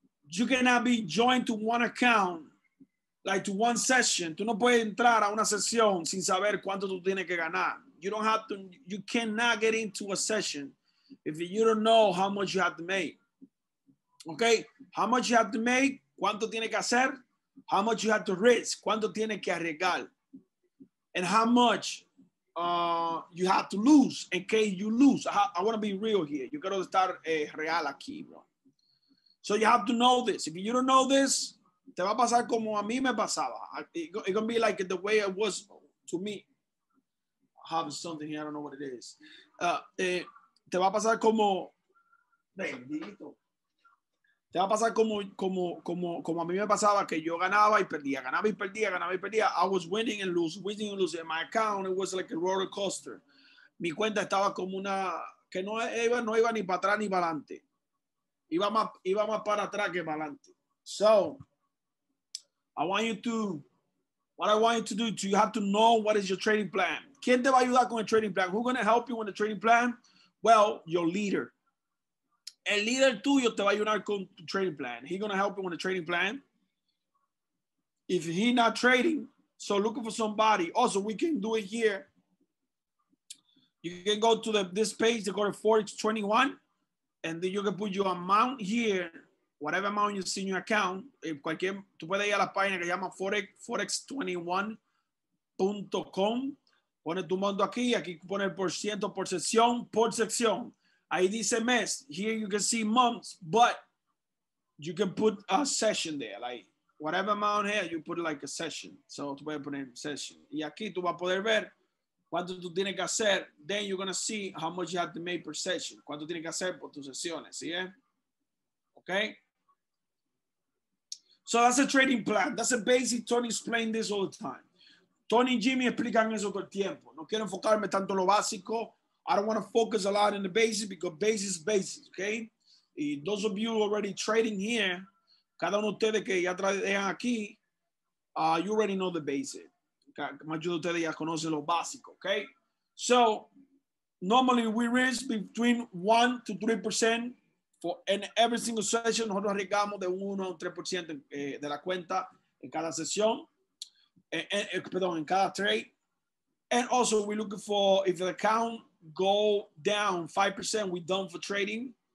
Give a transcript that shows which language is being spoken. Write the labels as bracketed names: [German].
[Spanish] You cannot be joined to one account. Like to one session, tú no puedes entrar a una sesión sin saber cuánto tú tienes que ganar. [English] You cannot get into a session if you don't know how much you have to make. Okay, how much you have to make, cuánto tiene que hacer, how much you have to risk, cuánto tiene que arriesgar, and how much you have to lose in case you lose. I want to be real here. You got to estar real aquí, bro. So you have to know this. If you don't know this, te va a pasar como a mí me pasaba. It's going to be like the way it was to me. I have something here. I don't know what it is. [Spanish] Te va a pasar como... Bendito. Te va a pasar como a mí me pasaba, que yo ganaba y perdía. [English] Ganaba y perdía, ganaba y perdía. I was winning and losing. In my account, it was like a roller coaster. [Spanish] Mi cuenta estaba como una... Que no iba ni para atrás ni para adelante. Iba más para atrás que para adelante. So... [English] What I want you to do, you have to know what is your trading plan. [Spanish] ¿Quién te va a ayudar con el trading plan? [English] Who's going to help you with the trading plan? Well, your leader. El líder tuyo te va a ayudar con the trading plan. He's going to help you with the trading plan. If he's not trading, so looking for somebody. Also, we can do it here. You can go to this page, go to Forex 21, and then you can put your amount here. [Spanish] Whatever amount you see in your account, cualquier, tú puedes ir a la página que llama forex21.com. Pone tu monto aquí. Aquí pone el porciento por sesión, por sección. Ahí dice mes. [English] Here you can see months, but you can put a session there. Like whatever amount here, you put like a session. [Spanish] So tú puedes poner session. Y aquí tú vas a poder ver cuánto tú tienes que hacer. [English] Then you're going to see how much you have to make per session. Cuánto tienes que hacer por tus sesiones. ¿Sí? Okay, so that's a trading plan. That's a basic. [Spanish] Tony explain this all the time. Tony y Jimmy explican eso todo el tiempo. No quiero enfocarme tanto en lo básico. [English] I don't want to focus a lot in the basic because basic is basic, okay? Y those of you already trading here, cada uno de ustedes que ya traen aquí, you already know the basic. La mayoría de ustedes ya conocen lo básico, okay? So, normally we risk between 1 to 3% for in every single session. [Spanish] Nosotros arriesgamos de 1 a 3% de la cuenta en cada sesión, en cada trade. [English] And also, we're looking for if the account go down 5%, we're done for trading.